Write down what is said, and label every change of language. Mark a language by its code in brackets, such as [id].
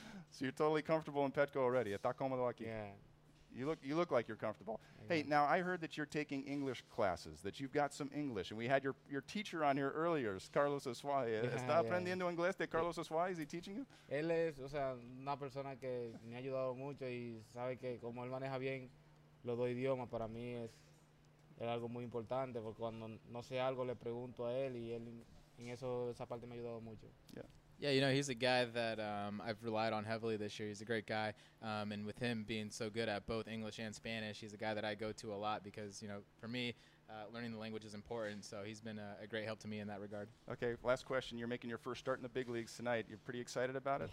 [en] So you're totally comfortable in Petco already. [es] Está cómodo aquí. [en] Yeah. You look like you're comfortable. Yeah. Hey, now I heard that you're taking English classes, that you've got some English. And we had your teacher on here earlier, Carlos Osuay. [es] ¿Está aprendiendo inglés de Carlos Osuay? [en] ¿Is he teaching you? [es] Él es, o sea, una persona que me ha ayudado mucho y sabe que como él maneja bien los dos idiomas, para mí es algo muy importante porque cuando no sé algo le pregunto a él y él en eso esa parte me ha ayudado mucho. [en] Yeah. Yeah, you know, he's a guy that I've relied on heavily this year. He's a great guy. And with him being so good at both English and Spanish, he's a guy that I go to a lot because, you know, for me, learning the language is important. So he's been a great help to me in that regard. Okay, last question. You're making your first start in the big leagues tonight. You're pretty excited about it?